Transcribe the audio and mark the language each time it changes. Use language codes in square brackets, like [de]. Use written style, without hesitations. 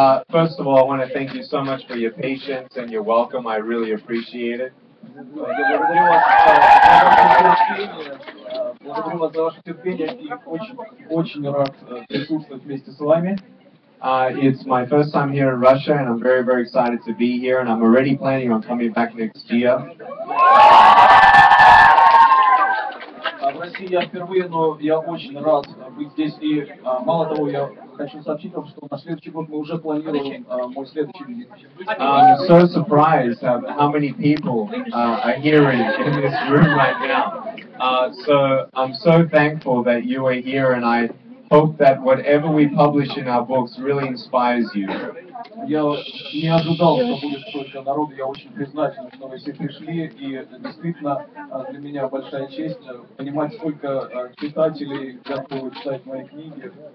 [en] First of all, I want to thank you so much for your patience and your welcome. I really appreciate it. [ru] Благодарю вас за ваше терпение и очень рад присутствовать вместе с вами. [en] It's my first time here in Russia, and I'm very, very excited to be here, and I'm already planning on coming back next year. [ru] В России я впервые, но я очень рад быть здесь. И мало того, я хочу сообщить вам, что на следующий год мы уже планируем мой следующий визит. [en] I'm so surprised at how many people are here in this room right now. So I'm so thankful that you are here, and I hope that whatever we publish in our books really inspires you. [ru] Я не ожидал, что будет столько народу. Я очень признателен, что вы все пришли, и действительно для меня большая честь понимать, сколько читателей готовы читать мои книги.